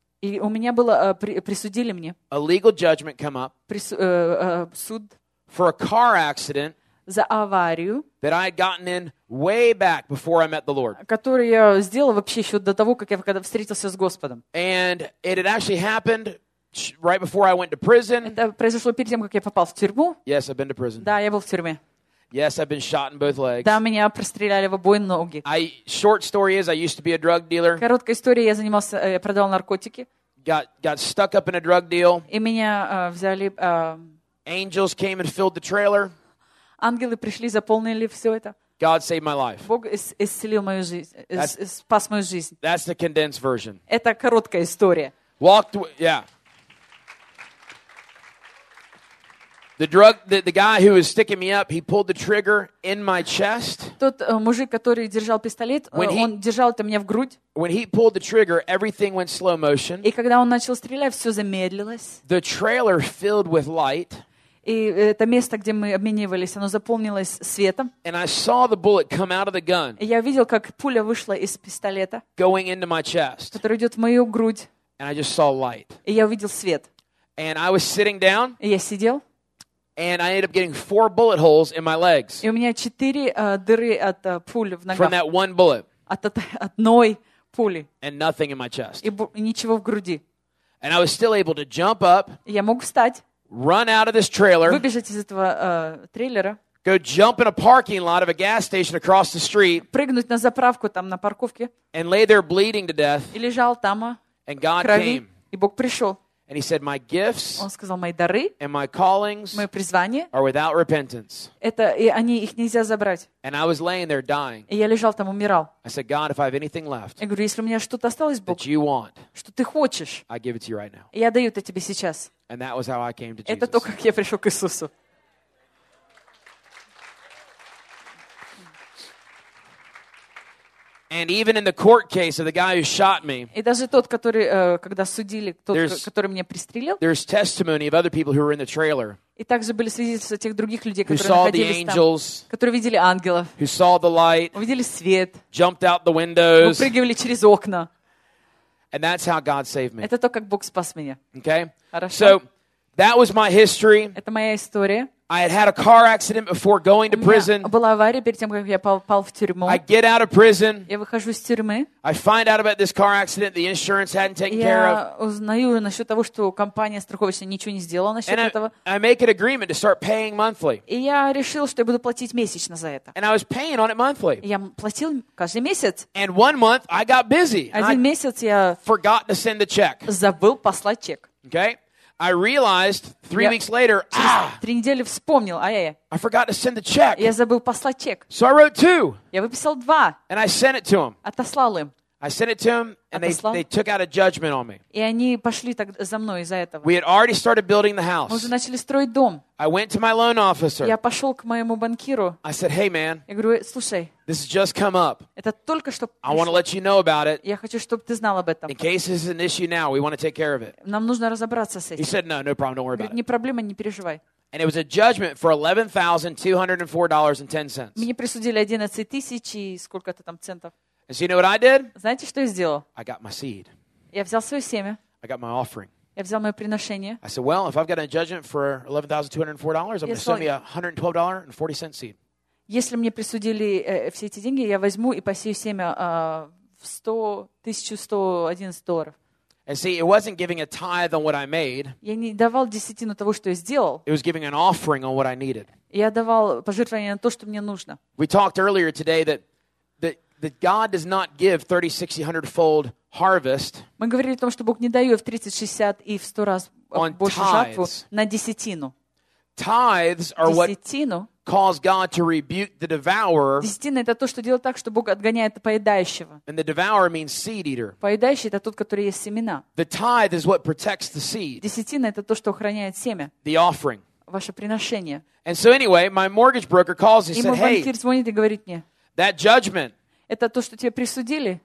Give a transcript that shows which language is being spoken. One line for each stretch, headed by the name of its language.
Russian: И у меня было присудили мне.
English: A legal judgment come up.
Russian: Суд.
English: For a car accident.
Russian: За аварию.
English: That I had gotten in way back before I met the Lord.
Russian: Который я сделал вообще еще до того, как я когда встретился с Господом.
English: And it had actually happened right before I went to prison.
Russian: Это произошло перед тем, как я попал в тюрьму.
English: Yes, I've been to prison.
Russian: Да, я был в тюрьме.
English: Yes, I've been shot in both legs.
Russian: Да, меня простреляли в обе ноги.
English: Short story is, I used to be a drug dealer.
Russian: Короткая история, я занимался, я продавал наркотики.
English: Got stuck up in a drug deal.
Russian: И меня взяли.
English: Angels came and filled the trailer.
Russian: Ангелы пришли, заполнили все это.
English: God saved my life.
Russian: Бог исцелил мою жизнь, спас мою жизнь.
English: That's the condensed version.
Russian: Это короткая история.
English: Walked, yeah. The guy who was sticking me up, he pulled the trigger in my chest.
Russian: Тот мужик, который держал пистолет, он держал это мне в грудь.
English: When he pulled the trigger, everything went slow motion.
Russian: И когда он начал стрелять, все замедлилось.
English: The trailer filled with light.
Russian: И это место, где мы обменивались, оно заполнилось светом.
English: And I saw the bullet come out of the gun.
Russian: И я видел, как пуля вышла из пистолета.
English: Going into my chest.
Russian: Которая идет в мою грудь.
English: And I just saw light.
Russian: И я увидел свет.
English: And I was sitting down.
Russian: И я сидел.
English: And I ended up getting 4 bullet holes in my legs.
Russian: И у меня 4 дыры от пуль в ногах.
English: From that one bullet.
Russian: От одной пули.
English: And nothing in my chest.
Russian: И ничего в груди.
English: And I was still able to jump up.
Russian: Я мог встать.
English: Run out of this trailer.
Russian: Выбежать из этого трейлера.
English: Go jump in a parking lot of a gas station across the street.
Russian: Прыгнуть на заправку там на парковке.
English: And lay there bleeding to death.
Russian: И лежал там.
English: And God
Russian: крови,
English: came.
Russian: И Бог пришел.
English: And he said, "My gifts,
Russian: он сказал, мои дары,
English: and my callings,
Russian: мои призвания,
English: are without repentance."
Russian: Это и они их нельзя забрать.
English: And I was laying there dying.
Russian: И я лежал там умирал.
English: I said, "God, if I have anything left,
Russian: я говорю, если у меня что-то осталось, Бог,
English: that you want,
Russian: что ты хочешь,
English: I give it to you right now."
Russian: Я даю это тебе сейчас.
English: And that was how I came to
Russian: это
English: Jesus.
Russian: Это то, как я пришел к Иисусу.
English: And even in the court case of the guy who shot me,
Russian: и даже тот, который когда судили, тот, который меня пристрелил,
English: there's testimony of other people who were in the trailer.
Russian: И также были свидетельства тех других людей,
English: who saw the angels,
Russian: там, которые видели ангелов,
English: who saw the light,
Russian: увидели свет,
English: jumped out the windows,
Russian: выпрыгивали через окна.
English: And that's how God saved me.
Russian: Это то, как Бог спас меня.
English: Okay.
Russian: Хорошо.
English: So that was my history.
Russian: Это моя история.
English: I had a car accident before going to prison.
Russian: У меня была авария перед тем, как я попал в тюрьму.
English: I get out of prison.
Russian: Я выхожу из тюрьмы.
English: I find out about this car accident the insurance hadn't taken care of.
Russian: Я узнаю насчет того, что компания страховочная ничего не сделала насчет этого.
English: I make an agreement to start paying monthly.
Russian: И я решил, что я буду платить месячно за это.
English: And I was paying on it monthly.
Russian: Я платил каждый месяц.
English: And one month I got busy.
Russian: Один месяц я
English: forgot to send the check.
Russian: Забыл послать чек.
English: Okay? I realized three weeks later.
Russian: Три недели вспомнил.
English: I forgot to send the check.
Russian: Я забыл послать чек.
English: So I wrote two.
Russian: Я выписал два.
English: And I sent it to him.
Russian: Отослал им.
English: I sent it to him, and they took out a judgment on me.
Russian: И они пошли так за мной из-за этого.
English: We had already started building the house.
Russian: Мы уже начали строить дом.
English: I went to my loan officer.
Russian: Я пошел к моему банкиру.
English: I said, "Hey, man."
Russian: Я говорю, слушай.
English: This has just come up.
Russian: Это только что.
English: I want to let you know about it.
Russian: Я хочу, чтобы ты знал об этом.
English: In case this is an issue now, we want to take care of it.
Russian: Нам нужно разобраться с этим.
English: He said, "No, no problem. Don't worry about it."
Russian: Не проблема, не переживай.
English: And it was a judgment for $11,204.10.
Russian: Мне присудили 11 000 и сколько-то там центов.
English: And so you know what I did?
Russian: Знаете, что я сделал?
English: I got my seed.
Russian: Я взял свое семя.
English: I got my offering.
Russian: Я взял мое приношение.
English: I said, "Well, if I've got a judgment for $11,204, I'm going to send me $112.40 seed."
Russian: Если мне присудили все эти деньги, я возьму и посею семя в 1111 долларов.
English: And see, it wasn't giving a tithe on what I made.
Russian: Я не давал десятину того, что я сделал.
English: It was giving an offering on what I needed.
Russian: Я давал пожертвование на то, что мне нужно.
English: We talked earlier today that God does not give 3600 fold harvest.
Russian: Мы говорили о том, что Бог не дает в 30, 60 и в 100 раз большую жатву на десятину.
English: Tithes are what cause God to rebuke the devourer.
Russian: Десятина это то, что делает так, что Бог отгоняет поедающего.
English: And the devourer means seed eater.
Russian: Поедающий это тот, который ест семена.
English: The tithe is what protects the seed.
Russian: Десятина это то, что охраняет семя.
English: The offering.
Russian: Ваше приношение.
English: And so anyway, my mortgage broker calls and said, "Hey."
Russian: И мой банкир звонит и говорит мне.
English: That judgment.
Russian: Это то, что тебе присудили.